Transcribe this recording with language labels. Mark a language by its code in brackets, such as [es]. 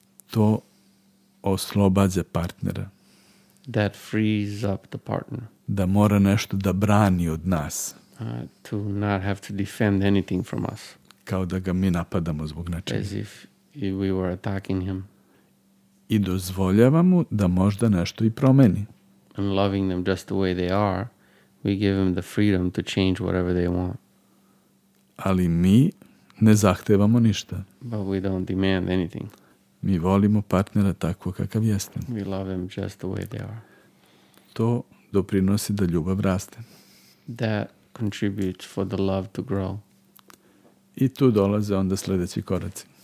[sr] To oslobađa partnera. [en] That frees up the partner. [sr] Da mora nešto da brani od nas. [en] To not have to defend anything from us. [sr] Kao da ga mi napadamo zbog nečega. [en] As if we were attacking him. [sr] I dozvoljava mu da možda nešto i promeni. [en] And loving them just the way they are, we give them the freedom to change whatever they want. [sr] Ali mi ne zahtevamo ništa. [en] But we don't demand anything. [sr] Mi volimo partnera tako kakav jeste. [en] We love them just the way they are. [sr] To doprinosi da ljubav raste. [en] That contributes for the love to grow. [sr] I tu dolaze onda sledeći koraci.